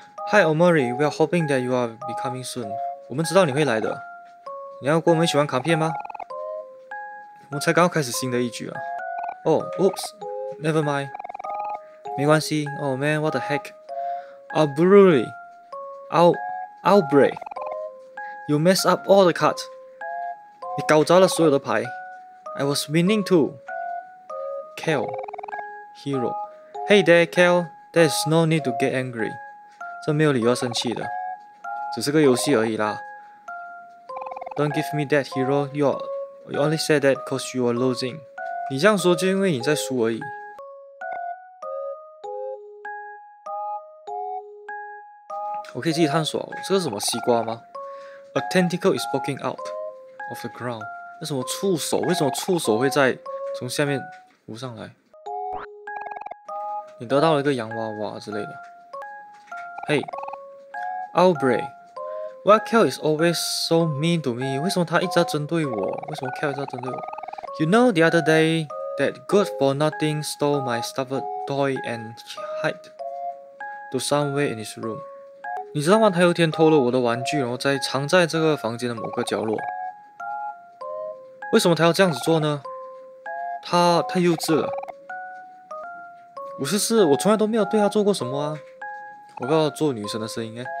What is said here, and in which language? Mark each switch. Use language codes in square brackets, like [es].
[en] Hi Omori, we are hoping that you are becoming soon. [zh] 我们知道你会来的。你要跟我们一起玩卡片吗？我才刚开始新的一局啊。 [en] Oh, oops, never mind. [zh] 没关系。 [en] Oh man, what the heck? Aubrey, Aubrey, you mess up all the cards. [zh] 你搞砸了所有的牌。 [en] I was winning too. Kale, hero. Hey there, Kale. There's no need to get angry. [zh] 这没有理由要生气的，只是个游戏而已啦。 [en] Don't give me that, hero. You only said that because you are losing. [zh] 你这样说就因为你在输而已。我可以继续探索。这个什么西瓜吗 ？ [en] A tentacle is poking out of the ground. [zh] 那什么触手？为什么触手会在从下面？浮上来，你得到了一个洋娃娃之类的。 [en] Hey, Aubrey, why Kel is always so mean to me? [zh] 为什么他一直在针对我？为什么 Kel 一直在针对我 [en] ？You know the other day that good for nothing stole my stuffed toy and hide to somewhere in his room. [zh] 你知道吗？他有一天偷了我的玩具，然后在藏在这个房间的某个角落。为什么他要这样子做呢？他太幼稚了。不是，是我从来都没有对他做过什么啊。我不要做女生的声音哎。